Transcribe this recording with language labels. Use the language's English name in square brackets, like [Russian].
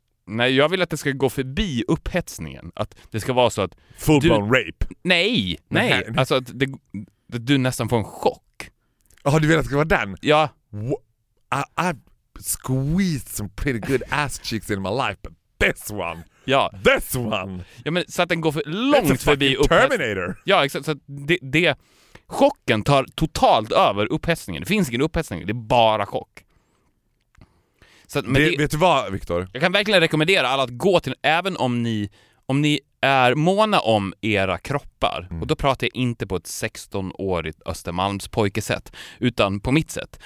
[Swedish] Nej, jag vill att det ska gå förbi upphetsningen. Att det ska vara så att... [English] Full blown rape? [Swedish] Nej. Alltså att det, du nästan får en chock. Ja, du vill att det ska vara den? Ja. [English] I've squeezed some pretty good ass cheeks in my life, but this one... [Swedish] Ja. [English] This one! [Swedish] Ja, men så att den går för långt förbi upphetsningen. [English] Terminator! [Swedish] Ja, exakt. Så att det chocken tar totalt över upphetsningen. Det finns ingen upphetsning, det är bara chock. Vet du vad, Viktor? Jag kan verkligen rekommendera alla att gå till, även om ni är måna om era kroppar, och då pratar jag inte på ett 16-årigt Östermalmspojkesätt, utan på mitt sätt.